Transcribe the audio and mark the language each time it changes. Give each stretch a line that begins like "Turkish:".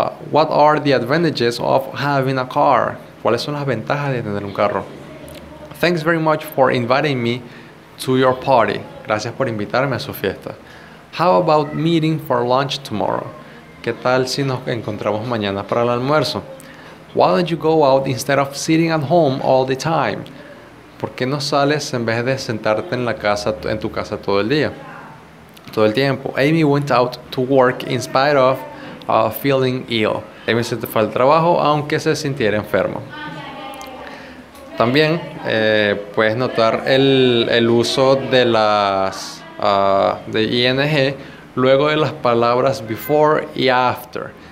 English: What are the advantages of having a car?
Spanish: ¿Cuáles son las ventajas de tener un carro?
English: Thanks very much for inviting me to your party.
Spanish: Gracias por invitarme a su fiesta.
English: How about meeting for lunch tomorrow?
Spanish: ¿Qué tal si nos encontramos mañana para el almuerzo?
English: Why don't you go out instead of sitting at home all the time?
Spanish: ¿Por qué no sales en vez de sentarte en tu casa todo el tiempo?
English: Amy went out to work in spite of feeling ill.
Spanish: Amy se fue al trabajo aunque se sintiera enfermo. También puedes notar el uso de las de ing luego de las palabras before y after.